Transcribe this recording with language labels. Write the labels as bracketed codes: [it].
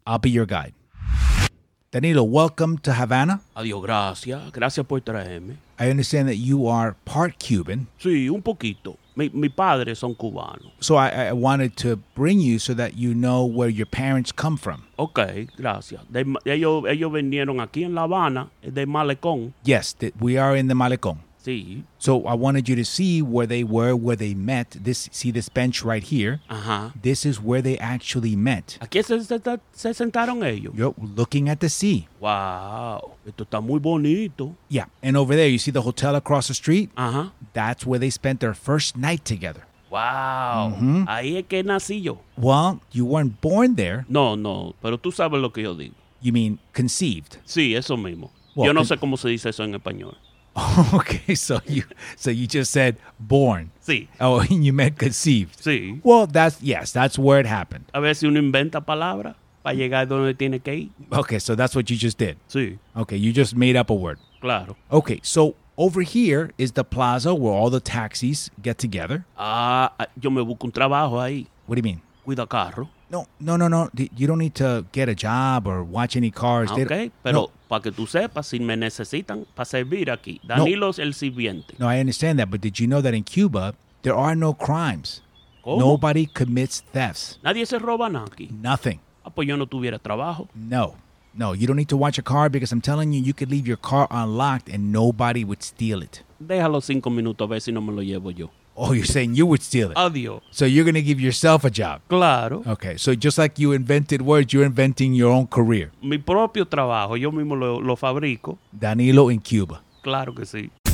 [en] I'll be your guide. Danilo, welcome to Havana. [es] Adiós, gracias. Gracias por traerme. [en] I understand that you are part Cuban. [es] Sí, un poquito. Mi padre son cubano. [en] So I wanted to bring you so that you know where your parents come from. [es] Okay, gracias. Ellos vinieron aquí en La Habana, de Malecón. [en] Yes, we are in the Malecón. [es] Sí. [en] So I wanted you to see where they were, where they met. See this bench right here? Uh-huh. This is where they actually met. [es] Aquí se sentaron ellos. [en] You're looking at the sea. [es] Wow. Esto está muy bonito. [en] Yeah. And over there, you see the hotel across the street? Uh-huh. That's where they spent their first night together. Wow. Mm-hmm. [es] Ahí es que nací yo. [en] Well, you weren't born there. [es] No, no. Pero tú sabes lo que yo digo. [en] You mean conceived? [es] Sí, eso mismo. Well, yo no sé cómo se dice eso en español. [en] Okay, so you just said born. [es] Sí. [en] Oh, and you meant conceived. [es] Sí. [en] Well, that's where it happened. [es] A veces uno inventa palabra para llegar donde tiene que ir. [en] Okay, so that's what you just did. [es] Sí. [en] Okay, you just made up a word. [es] Claro. [en] Okay, so over here is the plaza where all the taxis get together. [es] Yo me busco un trabajo ahí. [en] What do you mean? [es] Cuida carro. No. [en] You don't need to get a job or watch any cars. [es] Okay, pero para que tú sepas, si me necesitan para servir aquí. Danilo es el sirviente. [en] No, I understand that, but did you know that in Cuba, there are no crimes. [es] ¿Cómo? [en] Nobody commits thefts. [es] Nadie se roba nada aquí. [en] Nothing. [es] Ah, pues yo no tuviera trabajo. [en] No, you don't need to watch a car because I'm telling you, you could leave your car unlocked and nobody would steal it. [es] Déjalo 5 minutos, a ver si no me lo llevo yo. [en] Oh, you're saying you would steal it. [es] Adios. [en] So you're going to give yourself a job. [es] Claro. [en] Okay, so just like you invented words, you're inventing your own career. [es] Mi propio trabajo, yo mismo lo fabrico. [en] Danilo in Cuba. [es] Claro que sí.